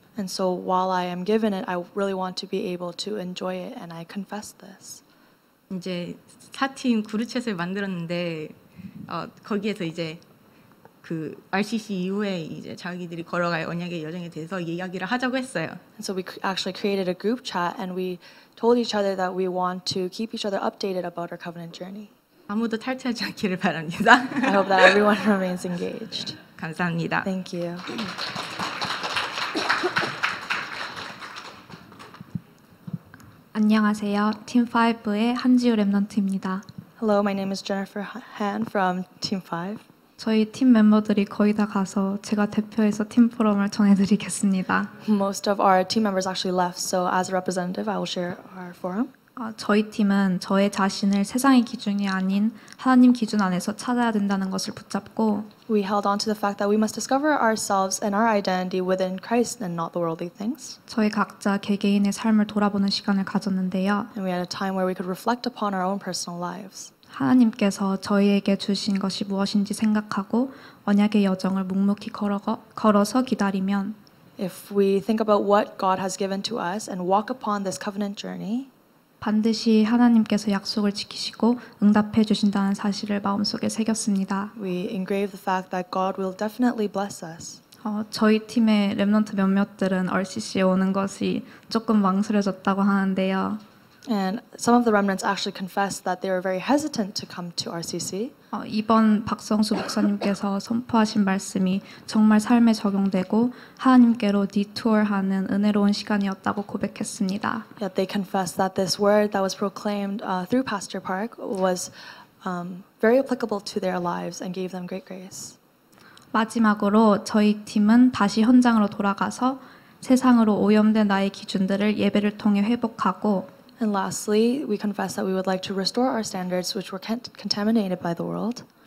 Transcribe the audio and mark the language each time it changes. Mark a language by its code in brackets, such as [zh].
[en] And so while I am given it, I really want to be able to enjoy it, and I confess this. [ko] 이제 4팀 그루챗을 만들었는데 거기에서 이제 그 RCC 이후에 이제 자기들이 걸어갈 언약의 여정에 대해서 이야기를 하자고 했어요. [en] And so we actually created a group chat, and we told each other that we want to keep each other updated about our covenant journey. [ko] 아무도 탈퇴하지 않기를 바랍니다. [en] I hope that everyone remains engaged. [ko] 감사합니다. [en] Thank you. [ko] 안녕하세요. 팀5의 한지우 렘넌트입니다. [en] Hello, my name is Jennifer Han from Team 5. [ko] 저희 팀 멤버들이 거의 다 가서 제가 대표해서 팀 포럼을 전해드리겠습니다. [en] Most of our team members actually left, so as a representative, I will share our forum. [ko] 저희 팀은 저의 자신을 세상의 기준이 아닌 하나님 기준 안에서 찾아야 된다는 것을 붙잡고 [en] We held on to the fact that we must discover ourselves and our identity within Christ and not the worldly things. [ko] 저희 각자 개개인의 삶을 돌아보는 시간을 가졌는데요. [en] And we had a time where we could reflect upon our own personal lives. [ko] 하나님께서 저희에게 주신 것이 무엇인지 생각하고 언약의 여정을 묵묵히 걸어서 기다리면 [en] If we think about what God has given to us and walk upon this covenant journey, [ko] 반드시 하나님께서 약속을 지키시고 응답해 주신다는 사실을 마음속에 새겼습니다. [en] We engrave the fact that God will definitely bless us. [ko] 저희 팀의 렘넌트 몇몇들은 RCC에 오는 것이 조금 망설여졌다고 하는데요. [en] And some of the remnants actually confessed that they were very hesitant to come to RCC. [ko] 이번 박성수 목사님께서 선포하신 말씀이 정말 삶에 적용되고 하나님께로 디투어하는 은혜로운 시간이었다고 고백했습니다. [en] Yet they confessed that this word that was proclaimed through Pastor Park was very applicable to their lives and gave them great grace. [ko] 마지막으로 저희 팀은 다시 현장으로 돌아가서 세상으로 오염된 나의 기준들을 예배를 통해 회복하고 [en] And lastly, we confess that we would like to restore our standards, which were contaminated by the world.